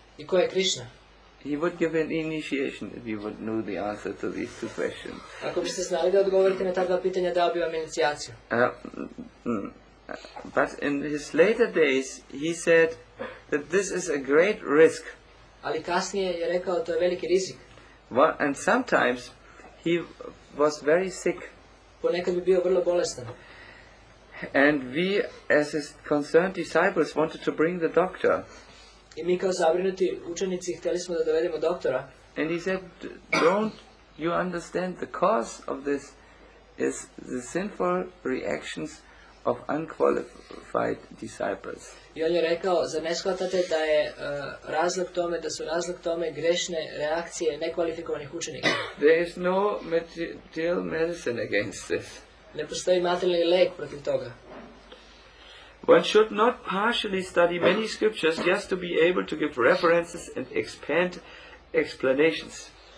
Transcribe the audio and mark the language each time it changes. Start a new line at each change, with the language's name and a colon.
Serbian: I ko je Krishna?
English: He would give an initiation if you would know the answer to these two questions.
Serbian: Ako biste znali da odgovorite na ta dva pitanja, dao bi vam inicijaciju.
English: But in his later days, he said that this is a great risk.
Serbian: Ali kasnije je rekao, to je veliki rizik.
English: Well, and sometimes he was very sick.
Serbian: Ponekad bi bio vrlo bolestan.
English: And we, as his concerned disciples, wanted to bring the doctor.
Serbian: I mi kao zabrinuti učenici htjeli smo da dovedemo doktora.
English: And he said, don't you understand the cause of this is the sinful reactions of unqualified disciples.
Serbian: I on je rekao, zar ne shvatate da je razlog tome, da su razlog tome grešne reakcije nekvalifikovanih učenika.
English: There is no material medicine against this.
Serbian: Ne postoji materijalni lek protiv toga.
English: One should not partially study many scriptures just to be able to give references and expand explanations.